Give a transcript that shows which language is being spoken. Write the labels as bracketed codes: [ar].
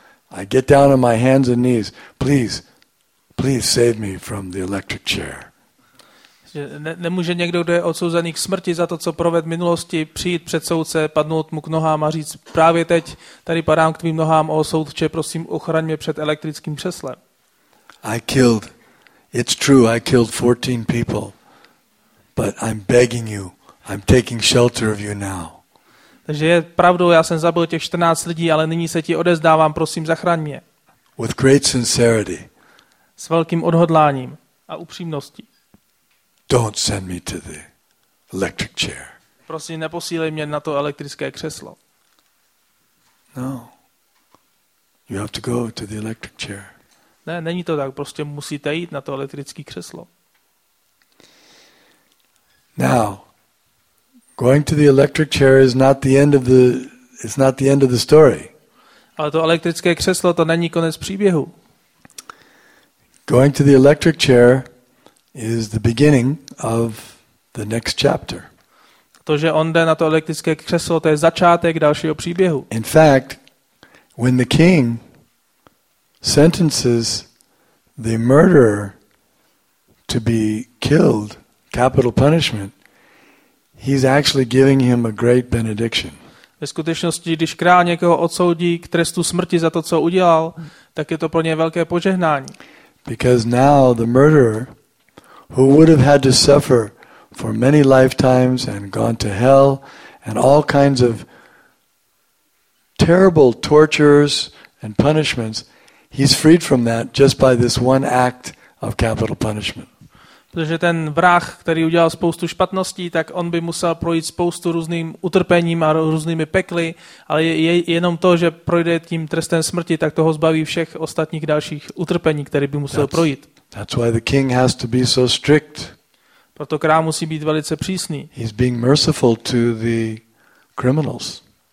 [en] I get down on my hands and knees. Please, please save me from the electric chair. [cs] Nemůže někdo, kdo je odsouzený k smrti za to, co provedl v minulosti, přijít před soudce, padnout mu k nohám a říct, právě teď tady padám k tvým nohám, o soudče, prosím, ochraň mě před elektrickým křeslem. [en] I killed, it's true, I killed 14 people, but I'm begging you, I'm taking shelter of you now. [cs] Takže je pravdou, já jsem zabil těch 14 lidí, ale nyní se ti odezdávám, prosím, zachraň mě. [en] With great sincerity. [cs] S velkým odhodláním a upřímností. [en] Don't send me to the electric chair. [cs] Prosím, neposílej mě na to elektrické křeslo. [en] No. You have to go to the electric chair. [cs] Ne, není to tak, prostě musíte jít na to elektrické křeslo. [en] Now. Going to the electric chair is not the end of the story. [cs] Ale to elektrické křeslo, to není konec příběhu. [en] Going to the electric chair is the beginning of the next chapter. [cs] To, že on jde na to elektrické křeslo, to je začátek dalšího příběhu. [en] In fact, when the king sentences the murderer to be killed, capital punishment, he's actually giving him a great benediction. [cs] Ve skutečnosti, když král někoho odsoudí k trestu smrti za to, co udělal, tak je to pro ně velké požehnání. [en] Because now the murderer, who would have had to suffer for many lifetimes and gone to hell and all kinds of terrible tortures and punishments, he's freed from that just by this one act of capital punishment. [cs] Protože ten vrah, který udělal spoustu špatností, tak on by musel projít spoustu různým utrpením a různými pekly, ale je jenom to, že projde tím trestem smrti, tak toho zbaví všech ostatních dalších utrpení, které by musel projít. [en] That's why the king has to be so strict. [cs] Proto král musí být velice přísný. [en] He's being merciful to the criminals.